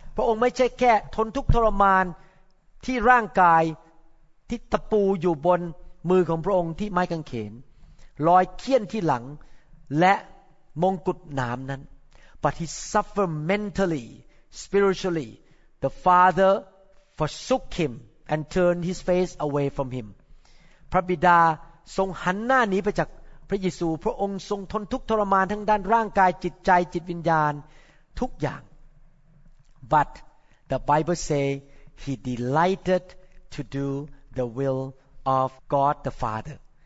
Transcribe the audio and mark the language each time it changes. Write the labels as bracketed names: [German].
[Thai] พระองค์ไม่ใช่แค่ทนทุกข์ทรมานที่ร่างกายที่ตะปูอยู่บนมือของพระองค์ที่ไม้กางเขนรอยเคี้ยนที่หลังและมงกุฎหนามนั้น [English] But he suffered mentally, spiritually. The Father forsook him and turned his face away from him. [Thai] พระบิดาทรงหันหน้าหนีไปจากพระเยซูพระองค์ทรงทนทุกข์ทรมานทั้งด้านร่างกายจิตใจจิตวิญญาณทุกอย่าง [English] But the Bible say he delighted to do the will of God the Father.